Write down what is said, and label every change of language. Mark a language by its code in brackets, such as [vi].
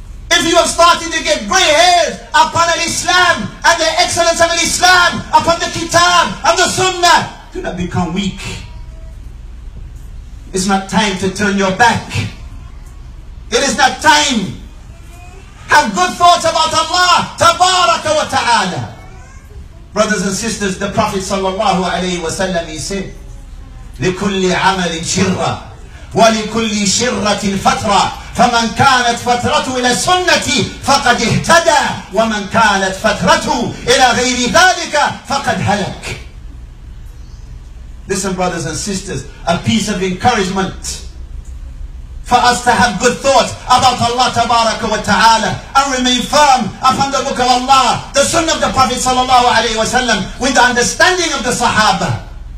[en] If you have started to get grey hairs upon al-Islam and the excellence of al-Islam, upon the Kitab and the Sunnah, do not become weak. It's not time to turn your back. It is not time. Have good thoughts about Allah, Tabaraka wa Ta'ala. Brothers and sisters, the Prophet sallallahu alayhi wa sallam, he said, [ar] لِكُلِّ عَمَلٍ شِرَّةٍ وَلِكُلِّ شِرَّةٍ فَتْرَةٍ فَمَنْ كَانَتْ فَتْرَتُهُ إِلَى سُنَّتِي فَقَدْ اِهْتَدَى وَمَنْ كَانَتْ فَتْرَتُهُ إِلَى غَيْرِ ذَلِكَ فَقَدْ هَلَكَ. [en] Listen, brothers and sisters, a piece of encouragement for us to have good thoughts about Allah Tabaraka wa Ta'ala and remain firm upon the book of Allah, the sunnah of the Prophet sallallahu alayhi wa sallam, with the understanding of the Sahaba.